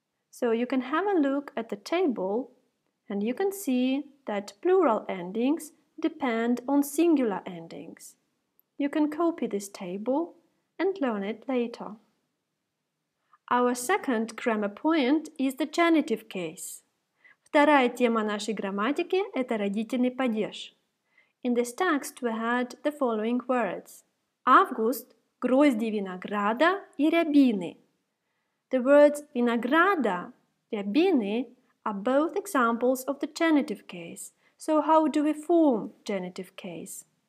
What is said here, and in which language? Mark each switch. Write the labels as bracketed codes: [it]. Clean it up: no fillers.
[en] So you can have a look at the table and you can see that plural endings depend on singular endings. You can copy this table and learn it later. Our second grammar point is the genitive case. [ru] Вторая тема нашей грамматики – это родительный падеж. [en] In this text we had the following words. [ru] Август – грозди винограда и рябины. [en] The words винограда, рябины – are both examples of the genitive case. So how do we form genitive case?